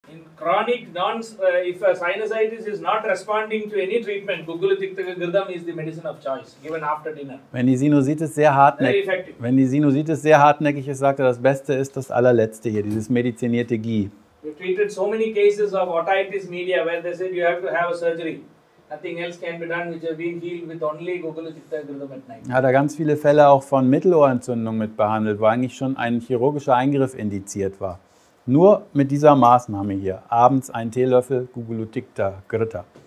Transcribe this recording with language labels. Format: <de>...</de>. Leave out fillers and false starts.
<en>In chronic if a sinusitis is not responding to any treatment, Gugulathikthakagridam is the medicine of choice given after dinner.</en> <de>Wenn die Sinusitis sehr hartnäckig ist, sagt er, das Beste ist das allerletzte hier, dieses medizinierte Ghee.</de> <en>We treated so many cases of otitis media where they said you have to have a surgery. Nothing else can be done, which has been healed with only Gugulathikthakagridam at night.</en> <de>Hat er ganz viele Fälle auch von Mittelohrentzündung mit behandelt, wo eigentlich schon ein chirurgischer Eingriff indiziert war. Nur mit dieser Maßnahme hier, abends ein Teelöffel Gugulathikthakagridam.</de>